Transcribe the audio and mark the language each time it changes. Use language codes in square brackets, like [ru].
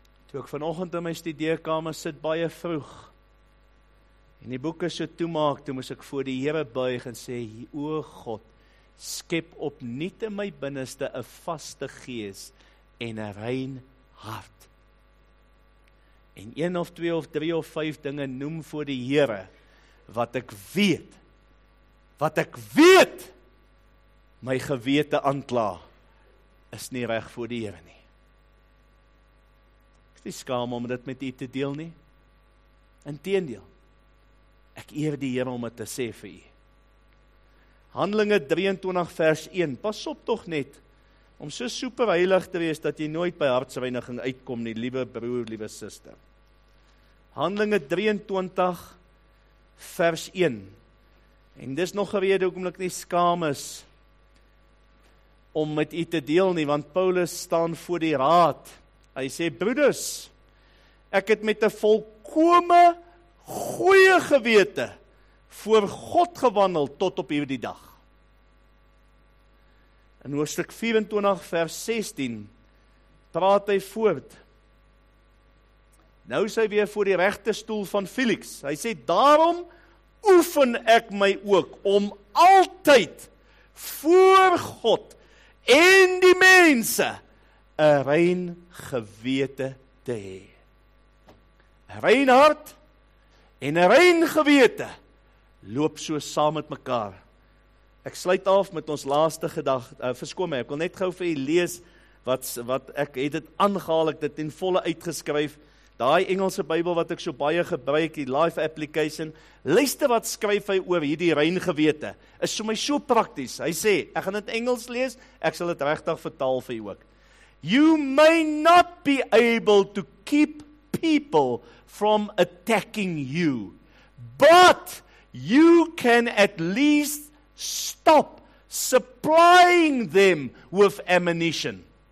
[af] Toe ek vanoggend in my studeerkamer sit baie vroeg en die boeke so toemaak, toe moes ek voor die Here buig en sê, O God, skep opnuut in my binneste 'n vaste gees en 'n rein hart. En een of twee of drie of vyf dinge noem voor die Here, wat ek weet, my gewete aankla, is nie reg voor die Here nie. Ek is nie skaam om dit met u te deel nie. Inteendeel, ek eer die Here om dit te sê vir u. Handelinge 23 vers 1, pas op tog net, om so superheilig te wees, dat jy nooit by hartsreiniging uitkom nie, liewe broer, liewe suster. Handelinge 23 vers 1, en dis nog een rede hoekom ek nie skaam is om met u te deel nie, want Paulus staan voor die raad, hy sê, broeders, ek het met 'n volkome goeie gewete voor God gewandel tot op hierdie dag. In hoofstuk 24 vers 16 praat hy voort, nou is hy weer voor die regte stoel van Felix, hy sê, daarom oefen ek my ook om altyd voor God en die mense 'n rein gewete te hê. 'n Rein hart en 'n rein gewete loop so saam met mekaar. Ek sluit af met ons laaste gedagte. Verskoon my, ek wil net gou vir julle lees wat ek het dit aangehaal, ek dit ten volle uitgeskryf. Daai Engelse Bybel wat ek so baie gebruik, die Life Application, luister wat skryf hy oor hierdie rein gewete. Is vir my so prakties. Hy sê, ek gaan dit Engels lees, ek sal dit regtig vertaal vir jou ook. [en] You may not be able to keep people from attacking you, but you can at least stop supplying them with ammunition.